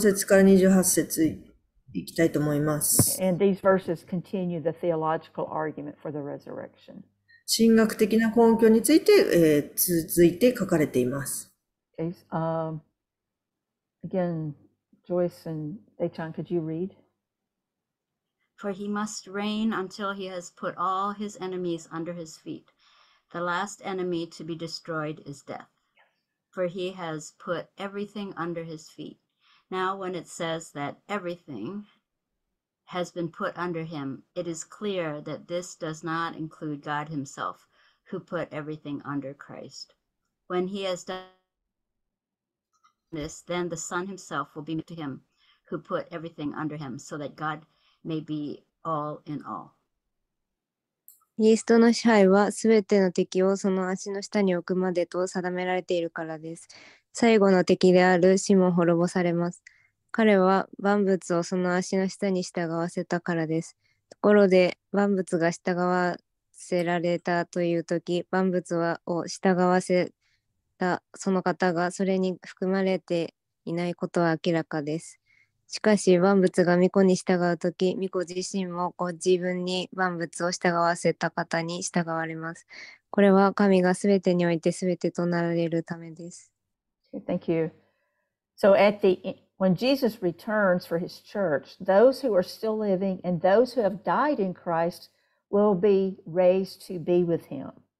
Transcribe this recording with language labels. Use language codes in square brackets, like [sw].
[ja] 節から28節いきたいと思います。 [en] And these verses continue the theological argument for the resurrection. [ja] 神学的な根拠について、続いて書かれています。 [en] Okay. Again, Joyce and Dae-chan, could you read? For he must reign until he has put all his enemies under his feet. The last enemy to be destroyed is death. For he has put everything under his feet. Now when it says that everything has been put under him, it is clear that this does not include God himself, who put everything under Christ. When he has done this, then the Son himself will be made to him who put everything under him, so that GodMaybe all in all. [ja] キリストの支配は全ての敵をその足の下に置くまでと定められているからです。最後の敵である死も滅ぼされます。彼は万物をその足の下に従わせたからです。ところで万物が従わせられたというとき、万物を従わせたその方がそれに含まれていないことは明らかです。しかし万物が御子に従うとき、御子自身もご自分に万物を従わせた方に従われます。これは神がすべてにおいてすべてとなられるためです。 [en] Thank you. So at the when Jesus returns for his church, those who are still living and those who have died in Christ will be raised to be with him.